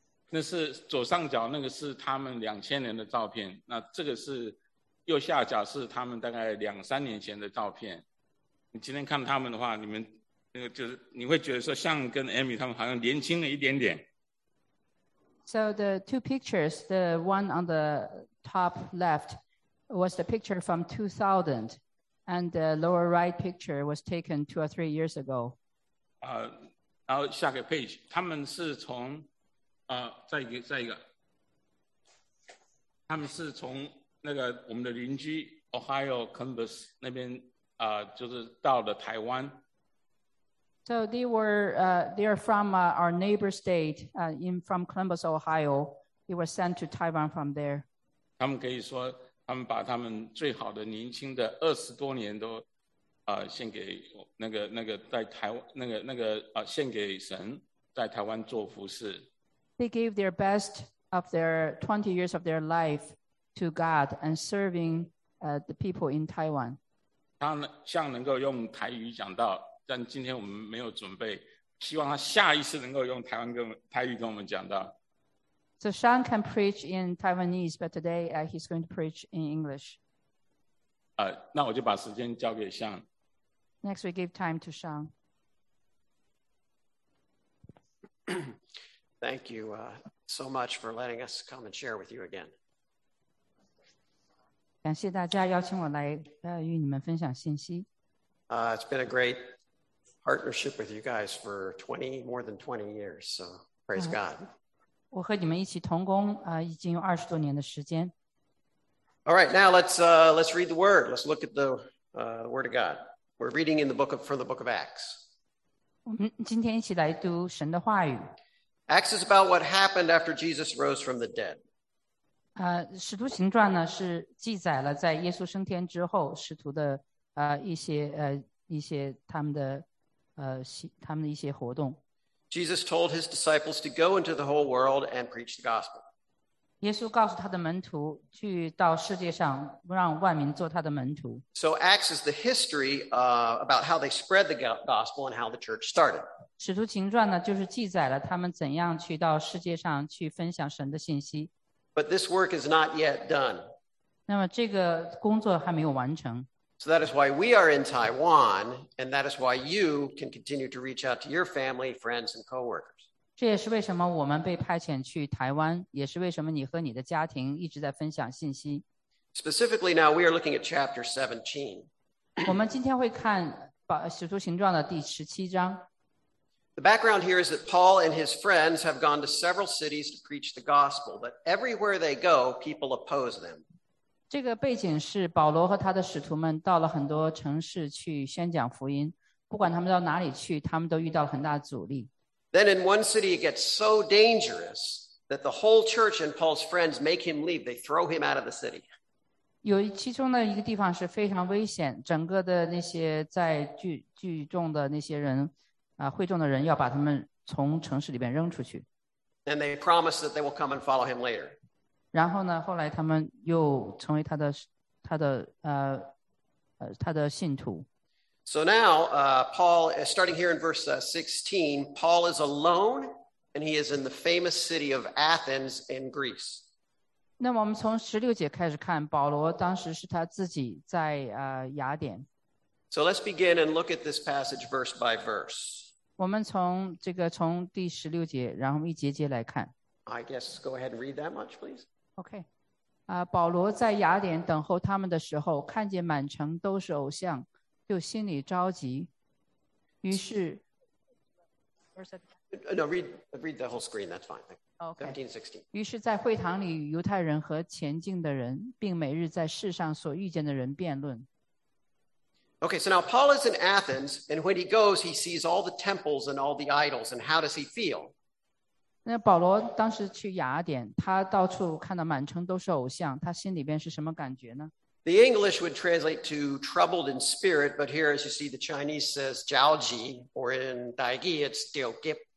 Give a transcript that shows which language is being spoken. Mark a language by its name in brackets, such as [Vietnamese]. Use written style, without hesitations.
[Chinese] 那是左上角那个是他们2000年的照片，那这个是右下角是他们大概两三年前的照片。你今天看他们的话，你们那个就是你会觉得说，像跟 Amy 他们好像年轻了一点点。 [English] So the two pictures, the one on the top left was the picture from 2000, and the lower right picture was taken two or three years ago. [Chinese] 然后下个 page， 他们是从。再一个，他们是从那个我们的邻居 Ohio Columbus 那边就是到了台湾。 [English] So they are from our neighbor state, from Columbus, Ohio. They were sent to Taiwan from there. [Chinese] 他们可以说，他们把他们最好的年轻的二十多年都献给那个在台湾那个献给神，在台湾做服事。 [English] They gave their best of their 20 years of their life to God and serving the people in Taiwan. [Chinese] 他像能够用台语讲道，但今天我们没有准备，希望他下一次能够用台语跟我们讲道。 [English] So Sean can preach in Taiwanese, but today he's going to preach in English. [Chinese] 那我就把时间交给 Sean. [English] Next, we give time to Sean. Thank you so much for letting us come and share with you again. [Chinese] 感谢大家邀请我来与你们分享信息。 [English] It's been a great partnership with you guys for more than 20 years, so praise God. [Chinese] 我和你们一起同工已经有二十多年的时间。 [English] All right, now let's read the word. Let's look at the word of God. We're reading from the book of Acts. [Chinese] 我们今天一起来读神的话语。 [English] Acts is about what happened after Jesus rose from the dead. [Chinese] 使徒行传呢是记载了在耶稣升天之后使徒的一些他们的一些活动。 [English] Jesus told his disciples to go into the whole world and preach the gospel. [Chinese] 耶稣告诉他的门徒去到世界上让万民做他的门徒。 [English] So Acts is the history about how they spread the gospel and how the church started. [Chinese] 使徒行传呢，就是记载了他们怎样去到世界上去分享神的信息。 [English] But this work is not yet done. [Chinese] 那么这个工作还没有完成。 [English] So that is why we are in Taiwan, and that is why you can continue to reach out to your family, friends, and coworkers. [Chinese] 这也是为什么我们被派遣去台湾，也是为什么你和你的家庭一直在分享信息。 [English] Specifically, now we are looking at chapter 17. [Chinese] 我们今天会看使徒行传的第十七章。 [English] The background here is that Paul and his friends have gone to several cities to preach the gospel, but everywhere they go, people oppose them. [Chinese] 这个背景是保罗和他的使徒们到了很多城市去宣讲福音，不管他们到哪里去，他们都遇到了很大阻力。 [English] Then in one city, it gets so dangerous that the whole church and Paul's friends make him leave. They throw him out of the city. [Chinese] 有其中的一个地方是非常危险，整个的那些在聚众的那些人。会众的人要把他们从城市里边扔出去。 [English] And they promise that they will come and follow him later. [Chinese] 然后呢，后来他们又成为他的信徒。 [English] So now, Paul, starting here in verse 16, Paul is alone and he is in the famous city of Athens in Greece. [Chinese] 那么我们从十六节开始看，保罗当时是他自己在雅典。 [English] So let's begin and look at this passage verse by verse. [Chinese] 我们从这个从第十六节，然后一节节来看。 [English] I guess go ahead and read that much, please. Okay. [Chinese] 保罗在雅典等候他们的时候，看见满城都是偶像，就心里着急。于是 [English] No, read the whole screen, that's fine. Okay. [Chinese] 于是在会堂里与犹太人和前进的人，并每日在世上所遇见的人辩论。 [English] Okay, so now Paul is in Athens, and when he goes, he sees all the temples and all the idols, and how does he feel? [Chinese] 那保罗当时去雅典，他到处看到满城都是偶像，他心里边是什么感觉呢？ [English] The English would translate to troubled in spirit, but here, as you see, the Chinese says 焦急, or in Daigi, it's 丢急。